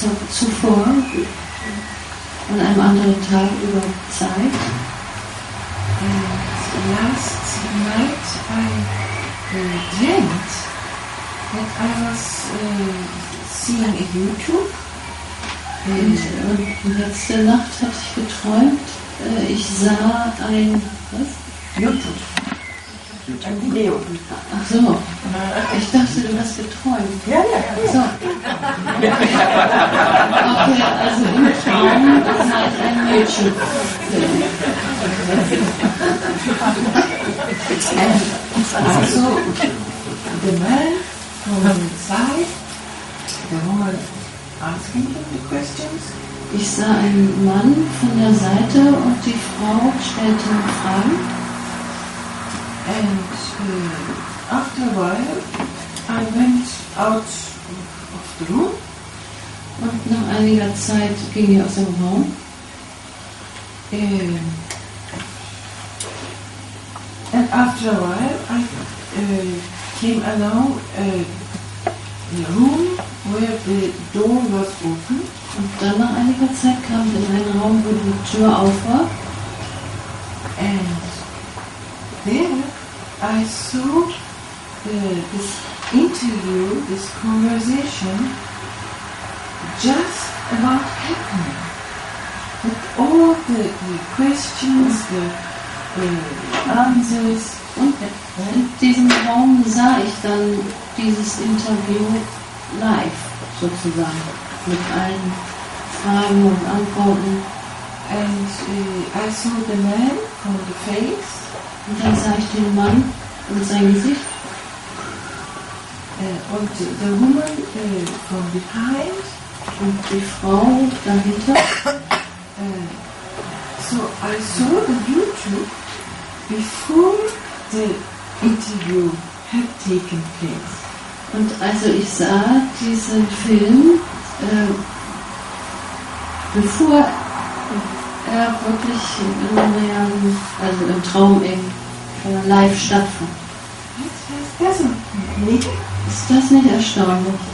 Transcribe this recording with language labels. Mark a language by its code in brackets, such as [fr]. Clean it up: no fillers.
[de] Zuvor, an einem anderen Tag über Zeit. [en] And last night I dreamt that I was seeing a YouTube. [de] Und letzte Nacht hatte ich geträumt, ich sah ein. Was? YouTube. Ein Video. Ach so. Ich dachte, du hast geträumt. Ja, ja, ja. So. Okay, also im Traum sah ich ein Mädchen. [en] Also, the man from the side, the woman asking the questions. [de] Ich sah einen Mann von der Seite und die Frau stellte Fragen. [en] And after a while, I went out of the room. [de] Und nach einiger Zeit ging ich aus dem Raum. [en] And after a while, I came along in a room where the door was open. [de] Und dann nach einiger Zeit kam ich in einen Raum, wo die Tür auf war. [en] And there, I saw this interview, this conversation, just about happening. With all the questions, the answers. [de] Und in diesem Raum sah ich dann dieses Interview live, sozusagen, mit allen Fragen und Antworten. [en] And I saw the man from the face. [de] Und dann sah ich den Mann und sein Gesicht. Und [en] the woman from behind [de] und die Frau dahinter. [en] So I saw the YouTube before the interview had taken place. [de] Und also ich sah diesen Film, bevor er wirklich im realen, also im Traum eben live stattfand. Ist das nicht erstaunlich?